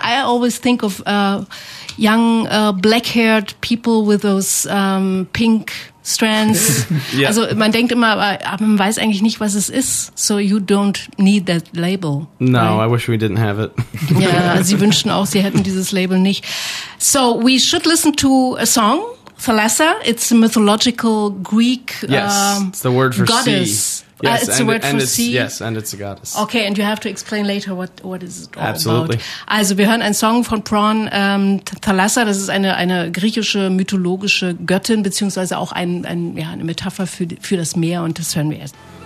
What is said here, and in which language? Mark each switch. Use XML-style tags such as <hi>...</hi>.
<en>I always think of young black-haired people with those pink strands. Yeah.</en> <de>Also man denkt immer, aber man weiß eigentlich nicht, was es ist.</de> <en>So you don't need that label. No, right? I wish we didn't have it.</en> <de>Yeah, Sie wünschen auch, Sie hätten dieses Label nicht.</de> <en>So we should listen to a song. Thalassa, it's a mythological Greek goddess. Yes, it's the word for goddess. Sea. Yes, it's a word and for it's, sea. Yes, and it's a goddess. Okay, and you have to explain later what is it all Absolutely. About.</en> <de>Also, wir hören einen Song von Prawn, Thalassa, das ist eine griechische mythologische Göttin, beziehungsweise auch eine Metapher für das Meer, und das hören wir erst.</de>